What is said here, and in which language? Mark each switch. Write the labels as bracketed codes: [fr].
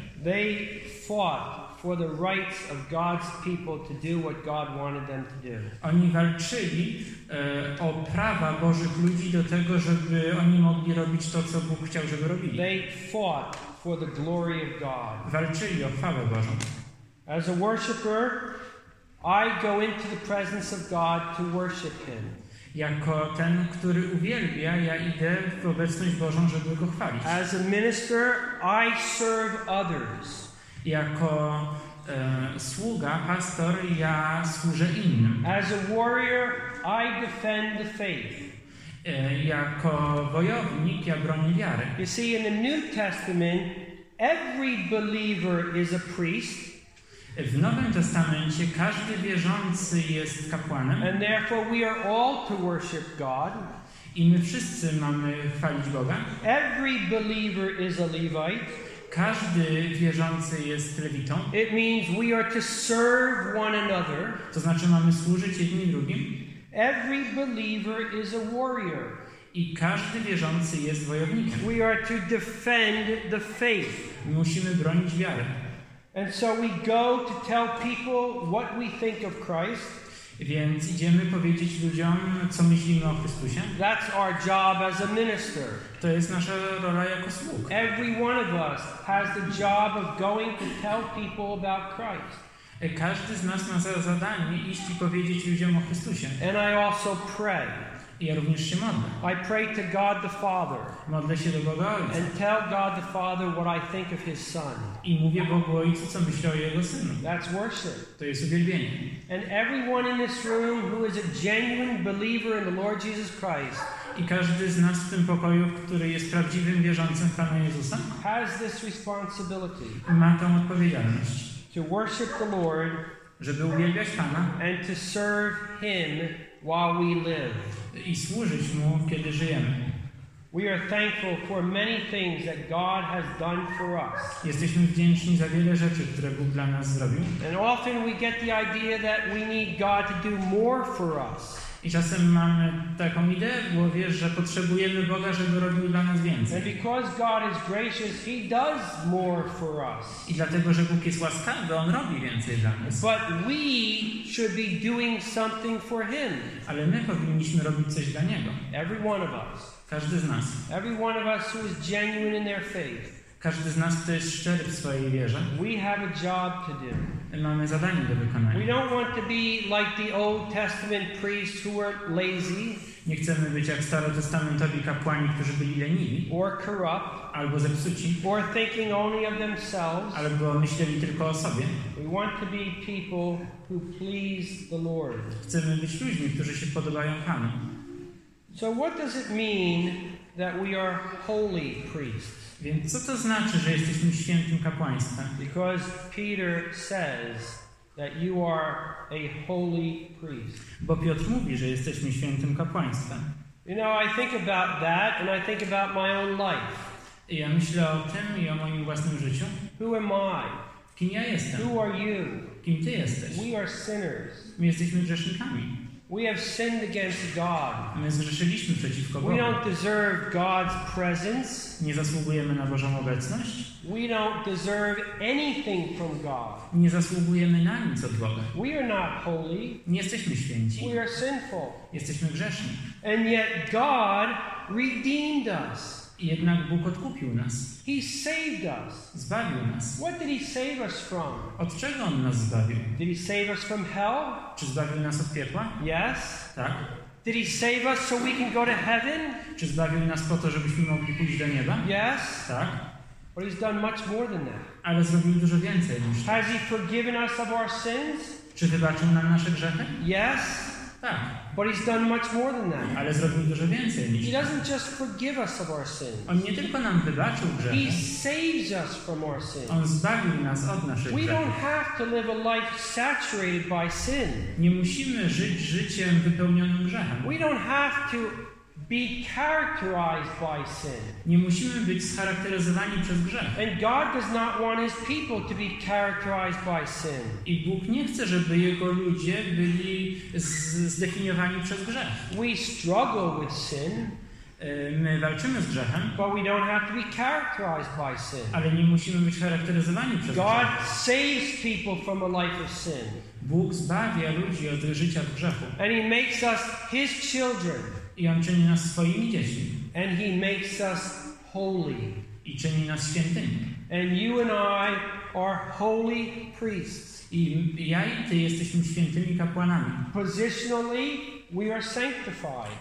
[en] They fought for the rights of God's people to do what God wanted them to do. [pl] Oni walczyli o prawa Bożych ludzi do tego, żeby oni mogli robić to, co Bóg chciał, żeby robili. [en] They fought for the glory of God. [pl] Walczyli o chwałę Bożą. [en] As a worshipper, I go into the presence of God to worship him. [pl] Jako ten, który uwielbia, ja idę w obecność Bożą, żeby go chwalić. [en] As a minister, I serve others. [pl] Jako sługa, pastor, ja służę innym. [en] As a warrior, I defend the faith. [pl] Jako wojownik, ja bronię wiary. [en] You see, in the New Testament, every believer is a priest. [pl] W Nowym Testamencie każdy wierzący jest kapłanem. [en] And therefore we are all to worship God. [pl] I my wszyscy mamy chwalić Boga. [en] Every believer is a Levite. [pl] Każdy wierzący jest lewitą. [en] It means we are to serve one another. [pl] To znaczy mamy służyć jedni drugim. [en] Every believer is a warrior. [pl] I każdy wierzący jest wojownikiem. [en] We are to defend the faith. [pl] Musimy bronić wiary. [en] And so we go to tell people what we think of Christ. [pl] Więc idziemy powiedzieć ludziom, co myślimy o Chrystusie. [en] That's our job as a minister. [pl] To jest nasza rola jako sług. [en] Every one of us has the job of going to tell people about Christ. [pl] Każdy z nas ma zadanie iść i powiedzieć ludziom o Chrystusie. [en] And I also pray. [pl] Ja również się modlę. [en] I pray to God the Father. [pl] Modlę się do Boga Ojca. [en] And tell God the Father what I think of His Son. [pl] I mówię Bogu Ojcu, co myślę o Jego Synu. [en] That's worship. [pl] To jest uwielbienie. [en] And everyone in this room who is a genuine believer in the Lord Jesus Christ. [pl] I każdy z nas w tym pokoju, który jest prawdziwym wierzącym w Pana Jezusa. [en] Has this responsibility. [pl] Ma tą odpowiedzialność. [en] To worship the Lord. [pl] Żeby uwielbiać Pana. [en] And to serve Him while we live. [pl] I służyć mu, kiedy żyjemy. [en] We are thankful for many things that God has done for us. [pl] Jesteśmy wdzięczni za wiele rzeczy, które Bóg dla nas zrobił. [en] And often we get the idea that we need God to do more for us. [pl] I czasem mamy taką ideę w głowie, że potrzebujemy Boga, żeby robił dla nas więcej. [en] And because God is gracious, He does more for us. [pl] I dlatego, że Bóg jest łaskawy, On robi więcej dla nas. [en] But we should be doing something for Him. [pl] Ale my powinniśmy robić coś dla Niego. [en] Every one of us. [pl] Każdy z nas. [en] Every one of us who is genuine in their faith. [pl] Każdy z nas, kto jest szczery w swojej wierze. [en] We have a job to do. [pl] Mamy zadanie do wykonania. [en] We don't want to be like the Old Testament priests who were lazy. [pl] Nie chcemy być jak starotestamentowi kapłani, którzy byli leniwi, [en] or corrupt, [pl] albo zepsuci, [en] or thinking only of themselves, [pl] albo myśleli tylko o sobie. [en] We want to be people who please the Lord. [pl] Chcemy być ludźmi, którzy się podobają Panu. [en] So what does it mean that we are holy priests? [pl] Więc co to znaczy, że jesteśmy świętym kapłaństwem? [en] Because Peter says that you are a holy priest. [pl] Bo Piotr mówi, że jesteśmy świętym kapłaństwem. [en] You know, I think about that and I think about my own life. [pl] I ja myślę o tym i o moim własnym życiu. [en] Who am I? [pl] Kim ja jestem? [en] Who are you? [pl] Kim ty jesteś? [en] We are sinners. [pl] My jesteśmy grzesznikami. [en] We have sinned against God. [pl] My zgrzeszyliśmy przeciwko Bogu. [en] We don't deserve God's presence. [pl] Nie zasługujemy na Bożą obecność. [en] We don't deserve anything from God. [pl] Nie zasługujemy na nic od Boga. [en] We are not holy. [pl] Nie jesteśmy święci. [en] We are sinful. [pl] Jesteśmy grzeszni. [en] And yet God redeemed us. [pl] Jednak Bóg odkupił nas. [en] He saved us. [pl] Zbawił nas. [en] What did he save us from? [pl] Od czego on nas zbawił? [en] Did he save us from hell? [pl] Czy zbawił nas od piekła? [en] Yes. [pl] Tak. [en] Did he save us so we can go to heaven? [pl] Czy zbawił nas po to, żebyśmy mogli pójść do nieba? [en] Yes. [pl] Tak. [en] But he's done much more than that. [pl] Ale zrobił dużo więcej niż to. [en] Has he forgiven us of our sins? [pl] Czy wybaczył nam nasze grzechy? [en] Yes. [pl] Tak. [en] But he's done much more than that. [pl] Ale zrobił dużo więcej niż [en] to. He doesn't just forgive us of our sins. [pl] On nie tylko nam wybaczył grzechy. [en] He saves us from our sins. [pl] On zbawił nas od naszych [en] we [pl] grzechów. [en] Don't have to live a life saturated by sin. [pl] Nie musimy żyć życiem wypełnionym grzechem. [en] We don't have to be characterized by sin. [pl] Nie musimy być scharakteryzowani przez grzech. [en] And God does not want his people to be characterized by sin. [pl] I Bóg nie chce, żeby jego ludzie byli zdefiniowani przez grzech. [en] We struggle with sin. [pl] My walczymy z grzechem. [en] But we don't have to be characterized by sin. [pl] Ale nie musimy być charakteryzowani przez [en] God [pl] grzech. [en] God saves people from a life of sin. [pl] Bóg zbawia ludzi od życia w grzechu. [en] And he makes us his children. [pl] I on czyni nas swoimi dziećmi. [en] And he makes us holy. [pl] I czyni nas świętymi. [en] And you and I are holy priests. [pl] I ja i ty jesteśmy świętymi kapłanami. [en] Positionally, we are sanctified.